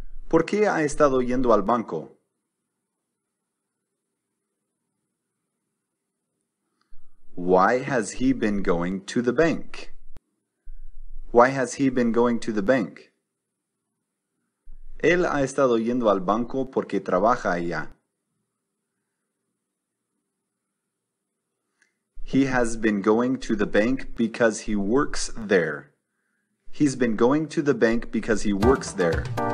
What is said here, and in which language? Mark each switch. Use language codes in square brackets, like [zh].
[es] ¿Por qué ha estado yendo al banco? [en] Why has he been going to the bank? Why has he been going to the bank? [es] Él ha estado yendo al banco porque trabaja allá. [en] He has been going to the bank because he works there. He's been going to the bank because he works there.